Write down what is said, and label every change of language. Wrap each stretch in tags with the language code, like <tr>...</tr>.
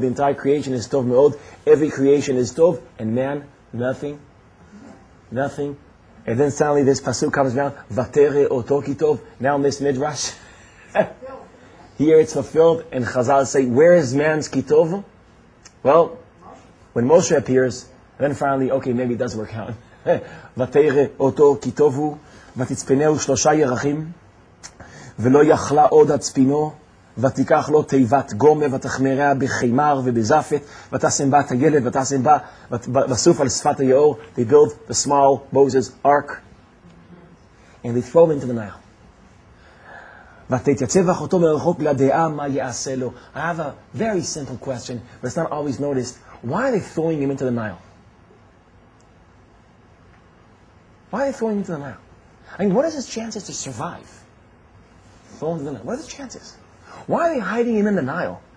<en>The entire creation is</en> <he>tov meod.</he> <en>Every creation is tov. And man, nothing. Nothing. And then suddenly this pasuk comes down.</en> <he>Vatere oto kitov.</he> <en>Now this midrash. Here it's fulfilled. And Chazal say, where is man's kitov? Well, when Moshe appears, then finally, okay, maybe it does work out.</en> <he>ותרא אותו כי טוב הוא, ותצפנהו שלושה ירחים, ולא יכלה עוד הצפינו, ותיקח לו תיבת גומה, ותחמריה בחימר ובזפת, ותשם בה את הילד, ותשם בה, בסוף על שפת היאור,</he> <en>they build the small Moses ark, and they throw him into the Nile.</en> <he>ותתייצב אחותו מרחוק לדעה מה יעשה לו.</he> <en>I have a very simple question, but it's not always noticed. Why are they throwing him into the Nile? Why are they throwing him into the Nile? mean, what is his chances to survive? Falling in the Nile. What are the chances? Why are they hiding him in the Nile?</en>